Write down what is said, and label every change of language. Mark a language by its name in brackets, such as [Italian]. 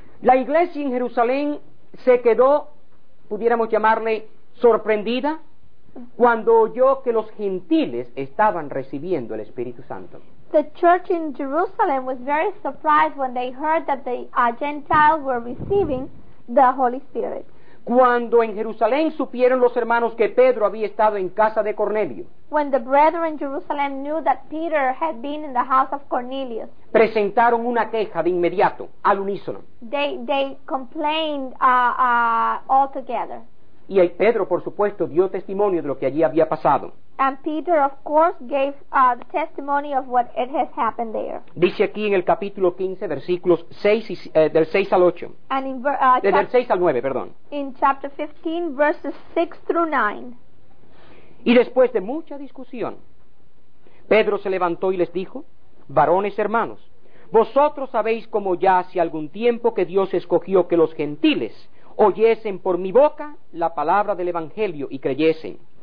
[Spanish] La iglesia en Jerusalén se quedó, pudiéramos llamarle, sorprendida cuando oyó que los gentiles estaban recibiendo el Espíritu Santo. [English] The church in Jerusalem was very surprised when they heard that the Gentiles were receiving the Holy Spirit. [Spanish] Cuando en Jerusalén supieron los hermanos que Pedro había estado en casa de Cornelio. [English] When the brethren in Jerusalem knew that Peter had been in the house of Cornelius. [Spanish] Presentaron una queja de inmediato, al unísono. [English] They complained all together. [Spanish] Y ahí Pedro, por supuesto, dio testimonio de lo que allí había pasado. [English] And Peter, of course, gave the testimony of what it has happened there. [Spanish] Dice aquí en el capítulo 15, versículos 6 y, del 6 al 8. [English] And in, [Spanish] del 6 al 9, perdón. [English] In chapter 15, verses 6 through 9. [Spanish] Y después de mucha discusión, Pedro se levantó y les dijo, varones hermanos, vosotros sabéis como ya hace algún tiempo que Dios escogió que los gentiles oyesen por mi boca la palabra del Evangelio y creyesen.